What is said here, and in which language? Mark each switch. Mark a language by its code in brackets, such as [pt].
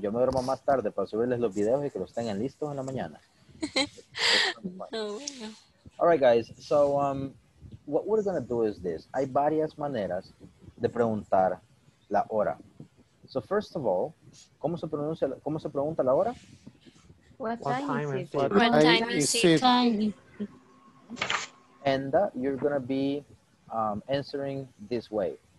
[es] Yo me duermo más tarde para subirles los videos y que los tengan listos en la mañana. Oh, bueno. [en] All right, guys. So what we're going to do is this. [es] Hay varias maneras de preguntar la hora. [en] So first of all, [es] ¿cómo se pregunta la hora? [en] What time is it? And you're going to be answering this way.